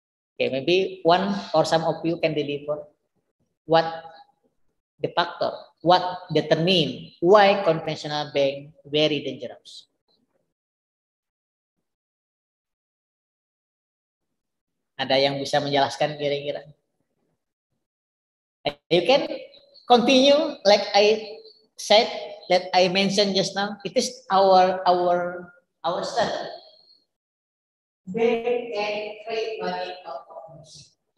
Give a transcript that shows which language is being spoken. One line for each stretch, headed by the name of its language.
English: Okay, maybe one or some of you can deliver what the factor, what determine why conventional bank very dangerous.
Indonesian: Ada yang bisa menjelaskan kira-kira?
English: You can continue like I said, that I mentioned just now. It is our study. Bank can create money out of commission.